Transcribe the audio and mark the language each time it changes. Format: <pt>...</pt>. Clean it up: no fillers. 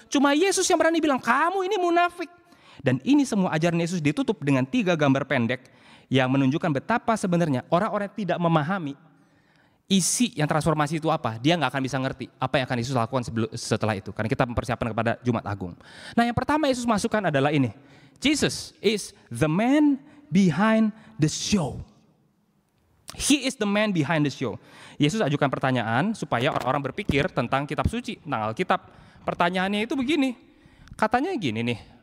<id>Cuma Yesus yang berani bilang, kamu ini munafik. Dan ini semua ajaran Yesus ditutup dengan 3 gambar pendek yang menunjukkan betapa sebenarnya orang-orang tidak memahami isi yang transformasi itu apa, dia gak akan bisa ngerti apa yang akan Yesus lakukan setelah itu. Karena kita mempersiapkan kepada Jumat Agung. Nah yang pertama Yesus masukkan adalah ini.</id> <en>Jesus is the man behind the show. He is the man behind the show.</en> <id>Yesus ajukan pertanyaan supaya orang-orang berpikir tentang kitab suci, tentang Alkitab. Pertanyaannya itu begini. Katanya gini nih.</id>